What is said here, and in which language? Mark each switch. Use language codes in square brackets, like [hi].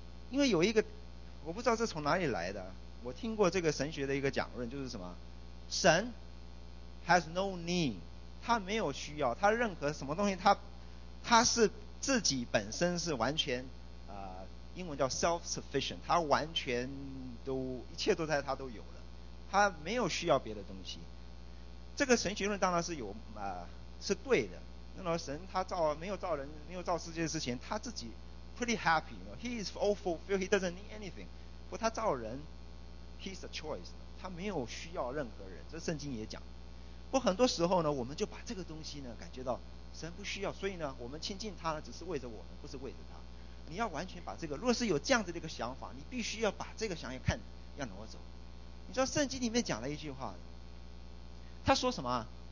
[zh] 因为有一个，我不知道这从哪里来的，我听过这个神学的一个讲论，就是什么，神 [en] has no need， [zh] 他没有需要，他任何什么东西，他是自己本身是完全，英文叫 self-sufficient， 他完全都一切都在他都有了，他没有需要别的东西。这个神学论当然是有是对的。那么神他造没有造人，没有造世界之前，他自己 [en] pretty happy， you know? He is all fulfilled. He doesn't need anything. [zh] 不，他造人 [en] ，he's a choice. [zh] 他没有需要任何人。这圣经也讲。不，很多时候呢，我们就把这个东西呢，感觉到神不需要，所以呢，我们亲近他呢，只是为着我们，不是为着他。你要完全把这个，如果是有这样子的一个想法，你必须要把这个想法看要挪走。你知道圣经里面讲了一句话，他说什么？